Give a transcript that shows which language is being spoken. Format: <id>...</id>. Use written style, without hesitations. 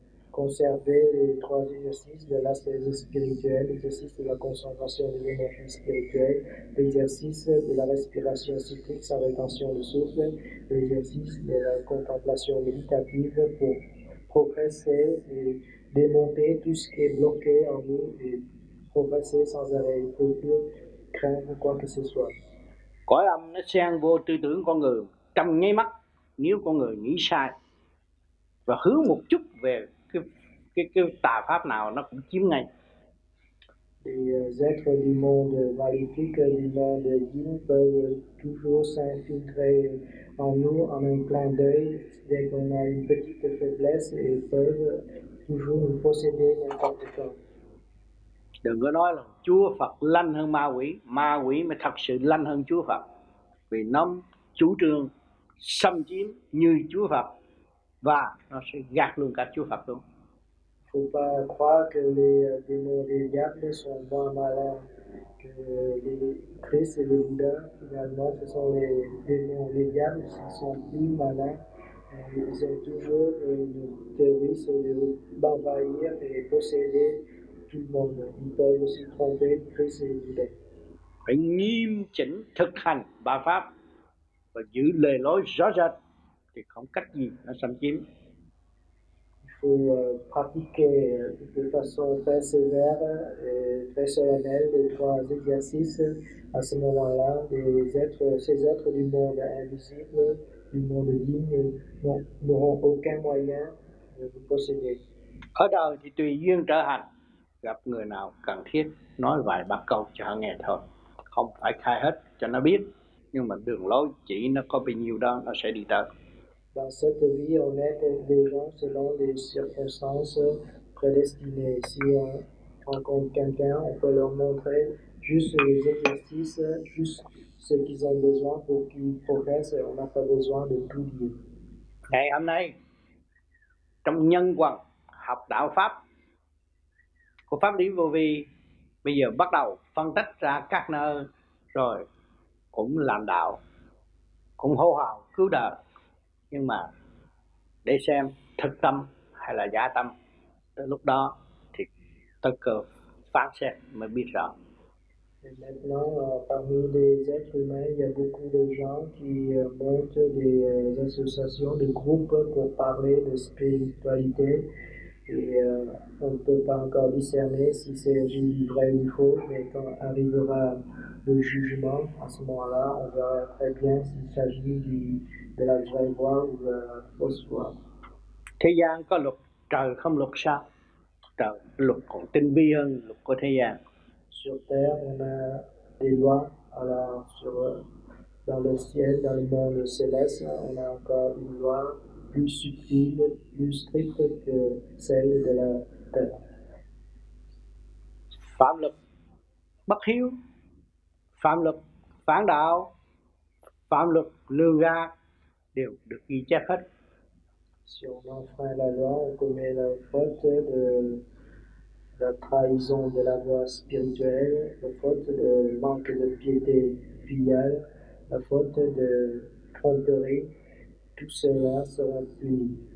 <fr>Conserver les trois exercices de l'astèse spirituelle, l'exercice de la concentration de l'énergie spirituelle, l'exercice de la respiration cyclique sans rétention de souffle, l'exercice de la contemplation méditative pour progresser et démonter tout ce qui est bloqué en nous et progresser sans arrêt, il ne faut plus craindre quoi que ce soit.</fr> <vi>Cõi âm nó xen vô tư tưởng con người trong ngay mắt, nếu con người nghĩ sai và hướng một chút về cái tà pháp nào nó cũng chiếm ngay.</vi> <fr>Les êtres du monde maléfique, du monde yin peuvent toujours s'infiltrer en nous en un clin d'œil dès qu'on a une petite faiblesse et peuvent toujours nous posséder n'importe quoi.</fr> <vi>Đừng có nói là Chúa Phật lanh hơn ma quỷ mới thật sự lanh hơn Chúa Phật, vì nó chủ trương xâm chiếm như Chúa Phật và nó sẽ gạt luôn cả Chúa Phật luôn.</vi> <fr>Il ne faut pas croire que les démons des diables sont moins malins que les Christ et les Bouddha. Finalement, ce sont les démons des diables qui sont plus malins. Ils ont toujours une théorie, c'est d'envahir et posséder tout le monde. Ils peuvent aussi tromper Christ et les Bouddha.</fr> <vi>Phải nghiêm chỉnh thực hành ba pháp và giữ lề lối rõ rệt thì không cách gì nó xâm chiếm.</vi> <fr>Pour pratiquer de façon très sévère et très solennelle les trois exercices, à ce moment-là, ces êtres du monde invisible, du monde digne, n'auront aucun moyen de vous posséder.</fr> <vi>Ở đời thì tùy duyên trở hành, gặp người nào cần thiết, nói vài ba câu cho nghe thôi. không phải khai hết cho nó biết, nhưng mà đường lối chỉ nó có bao nhiêu đó nó sẽ đi tới.</vi> <fr>Dans cette vie, on aide les gens selon les circonstances prédestinées. Si on rencontre quelqu'un, on peut leur montrer juste les exercices, juste ce qu'ils ont besoin pour qu'ils progressent. On n'a pas besoin de tout dire.</fr> <vi>Ngày hôm nay, trong nhân quần học đạo Pháp của Pháp Lý Vô Vi, bây giờ bắt đầu phân tích ra các nơi, rồi cũng làm đạo, cũng hô hào cứu đời. Nhưng mà để xem thực tâm hay là giả tâm, tới lúc đó thì tất cả phán xét mới biết rõ.</vi> <fr>Et maintenant, parmi les êtres humains, il y a beaucoup de gens qui montent des associations, des groupes pour parler de spiritualité. Et on ne peut pas encore discerner si c'est du vrai ou du faux, mais quand arrivera le jugement, à ce moment-là, on verra très bien s'il s'agit du, de la vraie voie ou de la fausse voie.</fr> <vi>Thế gian có luật trời không luật sao? Trời luật còn tinh vi hơn luật của thế gian.</vi> <fr>Sur terre, on a des lois, alors sur, dans le ciel, dans le monde céleste, on a encore une loi plus subtile, plus stricte que celle de la terre.</fr> <vi>Phạm luật bất hiếu, phạm luật phản đạo, phạm luật lưu ra đều được ghi chép hết.</vi> <fr>Si on enfreint la loi, on commet la faute de la trahison de la voie spirituelle, la faute de manque de piété filiale, la faute de tromperie, tout cela sera puni.</fr>